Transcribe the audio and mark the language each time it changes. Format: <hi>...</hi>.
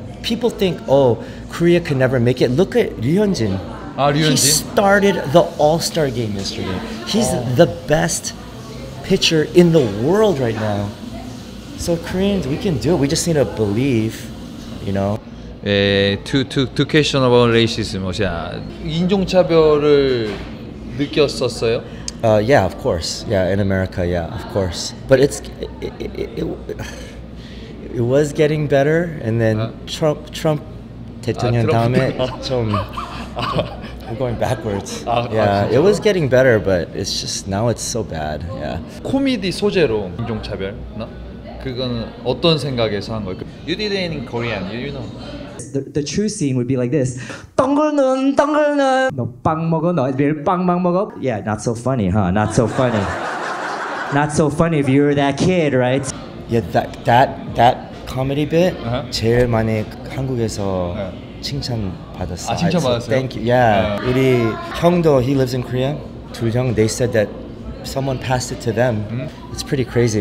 <en>People think, oh, Korea can never make it. Look at Ryu Hyun-jin. Ryu Hyun-jin? He started the All-Star game yesterday. He's the best pitcher in the world right now. So Koreans, we can do it. We just need to believe, you know. Two questions about racism.</en> <ko>인종차별을 느꼈었어요?</ko> <en>Yeah, of course. Yeah, in America, yeah, of course. But it was getting better, and then Trump</en> <ko>대통령 다음에 좀</ko> <en>we're going backwards. It was getting better, but it's just now it's so bad. Yeah.</en> <ko>코미디 소재로 인종차별? 나 그건 어떤 생각에서 한 거예요?</ko> <en>You did it in Korean. You know. The true scene would be like this.</en> <ko>덩글는 덩글는 너 빵 먹어 너 매일 빵만 먹어.</ko> <en>Yeah, not so funny, huh? Not so funny. Not so funny if you're that kid, right? Yeah, that comedy bit,</en> <ko>제일 많이 한국에서 칭찬받았어요. 아, 칭찬받았어요?</ko> <en>Thank you. Yeah.</en> <ko>우리 형도,</ko> <en>he lives in Korea.</en> <ko>두 형,</ko> <en>they said that someone passed it to them. It's pretty crazy.</en>